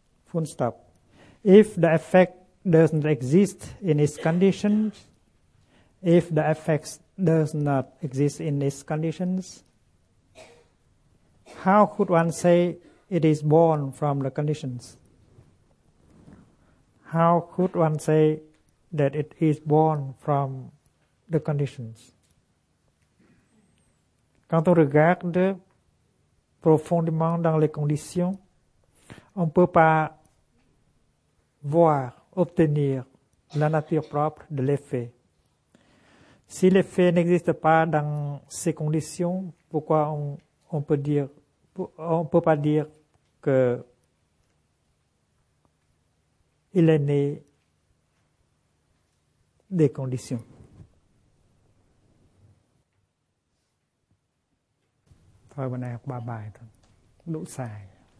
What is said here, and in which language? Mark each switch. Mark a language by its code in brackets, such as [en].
[en] Full stop. If the effect doesn't exist in its conditions, if the effect does not exist in its conditions, how could one say It is born from the conditions. How could one say that it is born from the conditions? [fr] Quand on regarde profondément dans les conditions, on ne peut pas voir, obtenir la nature propre de l'effet. Si l'effet n'existe pas dans ces conditions, pourquoi on peut dire, on peut pas dire que il est né des conditions? [vi] Thôi bữa nay học ba bài thôi, đủ xài.